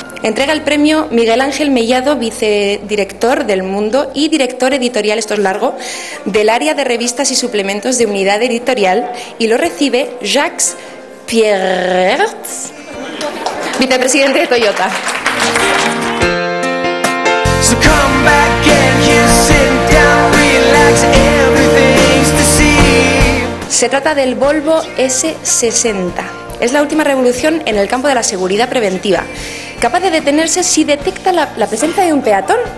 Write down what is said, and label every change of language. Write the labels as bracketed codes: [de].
[es] Entrega el premio Miguel Ángel Mellado, vicedirector del Mundo y director editorial, esto es largo, del área de revistas y suplementos de Unidad Editorial, y lo recibe Jacques Pierretz, vicepresidente de Toyota. [en] So come back and you sit down, relax, everything's to see. [es] Se trata del Volvo S60. Es la última revolución en el campo de la seguridad preventiva, capaz de detenerse si detecta la presencia de un peatón.